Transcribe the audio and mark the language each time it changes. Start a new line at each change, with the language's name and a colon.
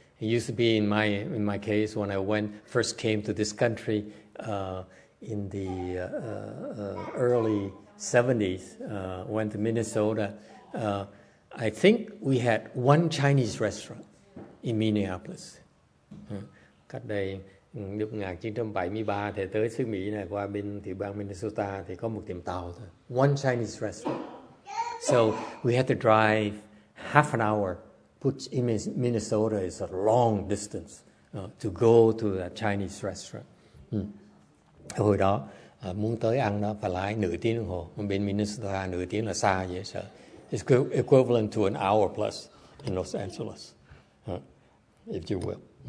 English: It used to be in my case when I first came to this country in the early 70s, went to Minnesota. I think we had one Chinese restaurant in Minneapolis.
Vietnamese: Cách đây Lúc 1973 thì tới xứ Mỹ này qua bên tiểu bang Minnesota thì có một tiệm tàu thôi.
English: One Chinese restaurant. So we had to drive half an hour, which in Minnesota is a long distance, to go to a Chinese restaurant.
Vietnamese: Hồi đó muốn tới ăn đó phải lái nửa tiếng đồng hồ. Bên Minnesota nửa tiếng là xa dễ sợ.
English: It's equivalent to an hour plus in Los Angeles, if you will.